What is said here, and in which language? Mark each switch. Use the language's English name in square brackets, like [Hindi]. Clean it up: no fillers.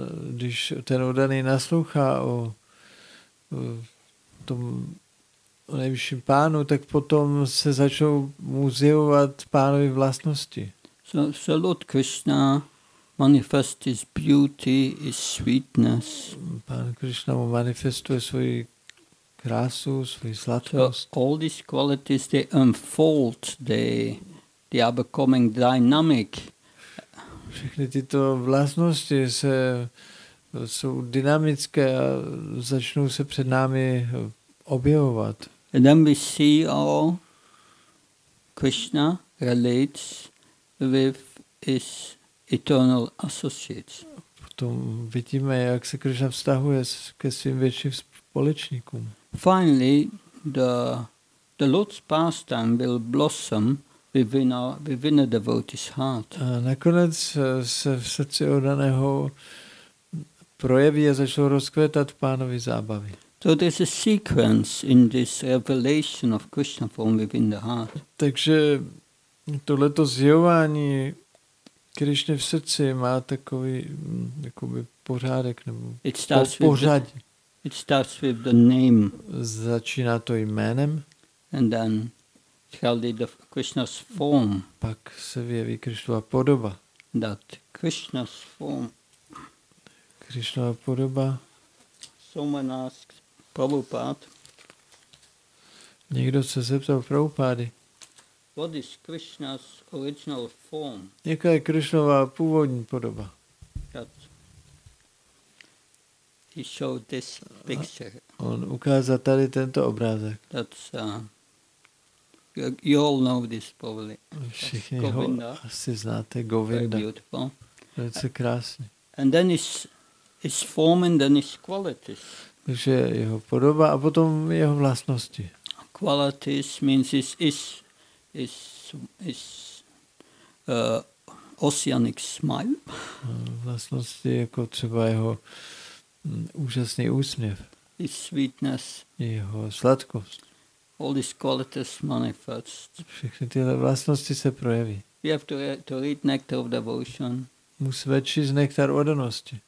[Czech] Když ten oddaný naslouchá o tom o nejvyšším pánu, tak potom se začnou mu zjevovat pánovy vlastnosti. [English] So Lord Krishna manifests his beauty, his sweetness. [Czech] Pán Krishna mu manifestuje svoji krásu, svoji sladkost. [English] So all these qualities, they unfold, they are becoming dynamic. [Czech] Všechny tyto vlastnosti jsou dynamické a začnou se před námi objevovat. [English] And then we see how Krishna relates with his eternal associates. [Czech] Potom vidíme, jak se Krishna vztahuje ke svým větším společníkům. [English] Finally, the Lord's pastime will blossom within a devotee's heart. [Czech] A nakonec se v srdci oddaného projeví a začalo rozkvětat pánovi zábavy. [English] So there's a sequence in this revelation of Krishna form within the heart. [Czech] Takže tohleto zjevování Krishny v srdci má takový jakoby pořádek nebo pořadí. [English] It starts with the name. [Czech] Začíná to jménem. [English] And then Kali the Krishna's form. [Czech] Pak se vyjeví Krishnova podoba. [English] That Krishna's form. [Czech] Krišnova podoba. [English] Someone asked Prabhupada. [Czech] Niekto sa zeptal Prabhupády. [English] What is Krishna's original form? [Czech] Jaká je Krišnova pôvodná podoba? [English] That he showed this picture. [Czech] On ukázal tady tento obrázek. [English] That's you all know this probably. [Czech] Všichni ho asi znáte, Govinda. Velice krásný. [English] And then his form and then his qualities. [Czech] Takže jeho podoba a potom jeho vlastnosti. [English] Qualities means is oceanic smile. [Czech] Vlastnosti jako třeba jeho úžasný úsměv. [English] His sweetness. [Czech] Jeho sladkost. [English] All these qualities manifest. [Czech] Všechny tyhle vlastnosti se projeví. [English] We have to read Nectar of Devotion. [Czech] Musíme číst Nektar odanosti.